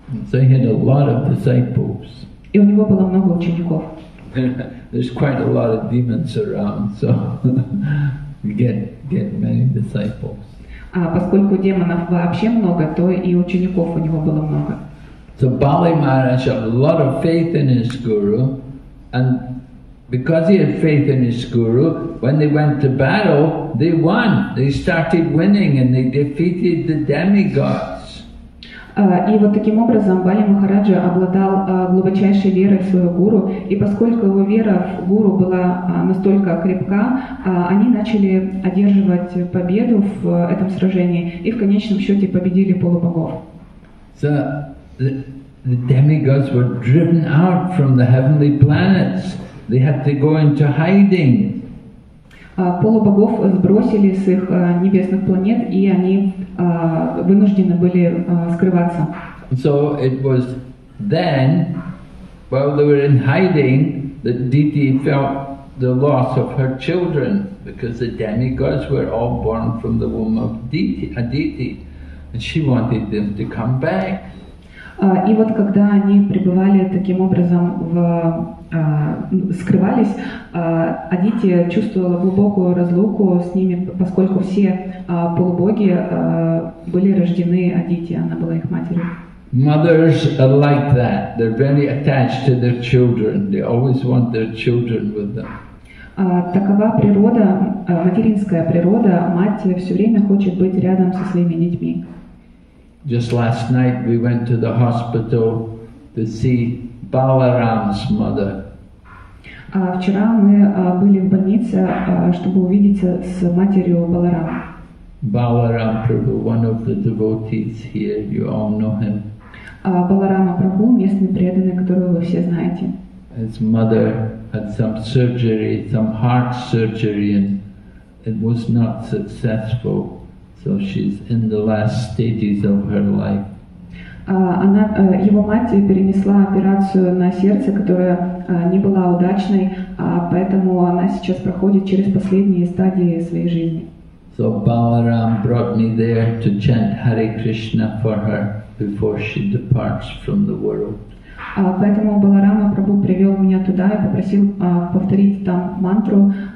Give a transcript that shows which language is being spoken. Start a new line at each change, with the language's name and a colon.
English: So he had a lot of disciples.
Russian: И у него было много учеников.
English: There's quite a lot of demons around, so. Get many disciples.
Russian: Поскольку демонов вообще много, то и учеников у него было много.
English: So Bali Maharaj had a lot of faith in his guru, and because he had faith in his guru, when they went to battle, they won. They started winning, and they defeated the demigods.
Russian: И вот таким образом Бали Махараджа обладал глубочайшей верой в своего гуру, и поскольку его вера в гуру была настолько крепка, они начали одерживать победу в этом сражении и в конечном счете победили полубогов.
English: So the demigods were driven out from the heavenly planets. They had to go into hiding.
Russian: Полубогов сбросили с их небесных планет, и они вынуждены были скрываться.
English: So it was then, while they were in hiding, that Diti felt the loss of her children, because the demigods were all born from the womb of Aditi, and she wanted them to come back.
Russian: И вот когда они пребывали таким образом в скрывались, Адити чувствовала глубокую разлуку с ними, поскольку все полубоги были рождены Адити, она была их матерью.
English: Mothers are like that. They're very attached to their children. They always want their children with them.
Russian: Такова природа, материнская природа. Мать все время хочет быть рядом со своими детьми.
English: Just last night we went to the hospital to see Balaram's mother.
Russian: Вчера мы были в больнице, чтобы увидеться с матерью Баларама.
English: Баларам Прабху, one of the devotees here, you all know him.
Russian: Баларама Прабху, местный преданный, которого вы все знаете.
English: His mother had some surgery, some heart surgery, and it was not successful. So she's in the last stages of her life.
Russian: Его мать перенесла операцию на сердце, которая не была удачной, поэтому она сейчас проходит через последние стадии своей жизни.
English: So Balaram brought me there to chant Hare Krishna for her before she departs from the world.
Russian: Поэтому Баларама Прабху привел меня туда и попросил повторить там мантру.